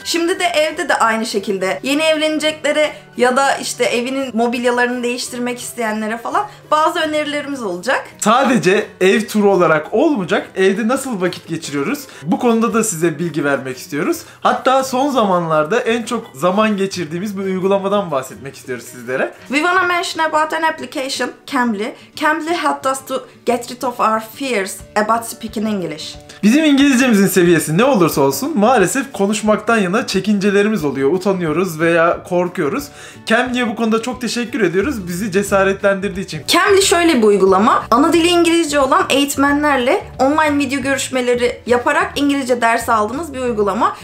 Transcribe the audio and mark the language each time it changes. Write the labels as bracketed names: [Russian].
[Turkish] Şimdi de evde de aynı şekilde yeni evleneceklere ya da işte evinin mobilyalarını değiştirmek isteyenlere falan bazı önerilerimiz olacak. Sadece ev turu olarak olmayacak. Evde nasıl vakit geçiriyoruz? Bu konuda da size bilgi vermek istiyoruz. Hatta son zamanlarda en çok zaman geçirdiğimiz bir uygulamadan bahsetmek istiyoruz sizlere. [English] We wanna mention about an application, Cambly. Cambly helped us to get rid of our fears about speaking English. [Turkish] Bizim İngilizcemizin seviyesi ne olursa olsun maalesef konuşmaktan yana çekincelerimiz oluyor. Utanıyoruz veya korkuyoruz. Cambly'ye bu konuda çok teşekkür ediyoruz. Bizi cesaretlendirdiği için. Cambly şöyle bir uygulama. Ana dili İngilizce olan eğitmenlerle online video görüşmeleri yaparak İngilizce dersi aldığınız bir uygulama.